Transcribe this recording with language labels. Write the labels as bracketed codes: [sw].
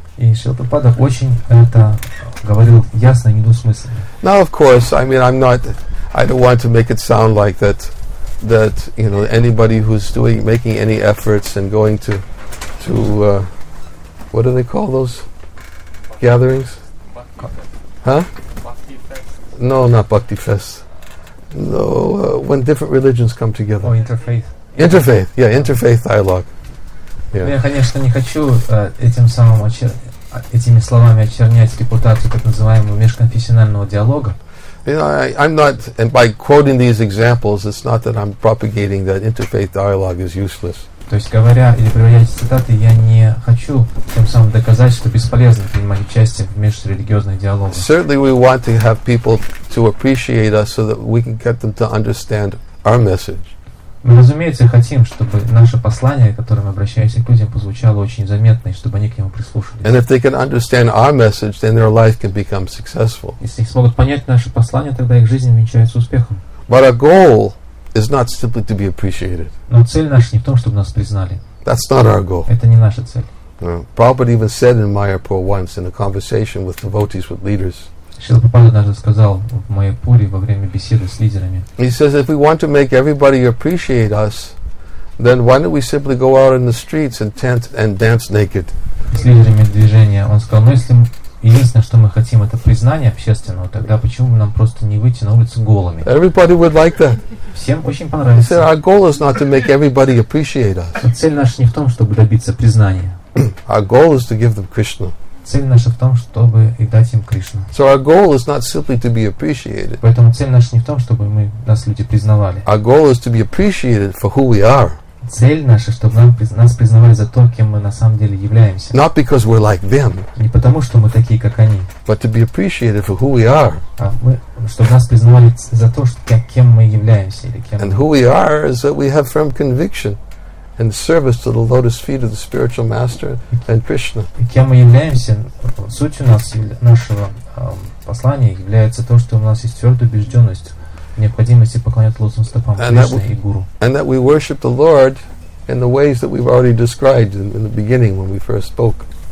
[ru] И Шрила Прабхупада очень это говорил ясно и недвусмысленно. [en] Now, of course, I mean, I don't want to make it sound like that you know, anybody who's making any efforts and going to what do they call those gatherings? Bhakti fest. No, not Bhakti fest. No, when different religions come together. Oh, interfaith. Interfaith, yeah, interfaith dialogue. Yeah. [ru] Я, конечно, не хочу этим самым этими словами очернять репутацию так называемого межконфессионального диалога. [en] You know, I'm not, and by quoting these examples, it's not that I'm propagating that interfaith dialogue is useless. [ru] То есть говоря или приводя эти цитаты, я не хочу тем самым доказать, что бесполезно принимать участие в межрелигиозных диалогах. [en] Certainly, we want to have people to appreciate us so that we can get them to understand our message. [ru] Мы, разумеется, хотим, чтобы наше послание, которое мы обращаемся к людям, прозвучало очень заметно, и чтобы они к нему прислушались. [en] And if they can understand our message, then their life can become successful. [ru] Если они смогут понять наше послание, тогда их жизнь увенчается успехом. [en] But our goal is not simply to be appreciated. [ru] Но цель наша не в том, чтобы нас признали. [en] That's not our goal. [ru] Это не наша цель. [en] Prabhupada even said in Mayapur once in a conversation with devotees, with leaders. [ru] Шрила Прабхупада даже сказал в Майяпуре во время беседы с лидерами. [en] He says, if we want to make everybody appreciate us, then why don't we simply go out in the streets and chant and dance naked? [ru] С лидерами движения он сказал, ну если единственное, что мы хотим, это признание общественного, тогда почему бы нам просто не выйти на улицу голыми? [en] Everybody would like that. [ru] Всем очень понравится. [en] He said, our goal is not to make everybody appreciate us. [ru] Но цель наша не в том, чтобы добиться признания. [en] Our goal is to give them Krishna. [ru] Цель наша в том, чтобы и дать им Кришну. [en] So our goal is not simply to be appreciated. [ru] Поэтому цель наша не в том, чтобы мы нас люди признавали. [en] Our goal is to be appreciated for who we are. [ru] Цель наша, чтобы нас признавали за то, кем мы на самом деле являемся. [en] Not because we're like them. [ru] Не потому, что мы такие, как они. [en] But to be appreciated for who we are. [ru] Чтобы нас признавали за то, кем мы являемся или кем. [en] And who we are is that we have firm conviction. And service to the lotus feet of the spiritual master and Krishna. [ru] И кем мы являемся? Суть у нас нашего послания является то, что у нас есть твердая убежденность в необходимости поклоняться лотосным стопам Кришны и Гуру. [en] And that we worship the Lord in the ways that we've already described in the beginning when we first spoke.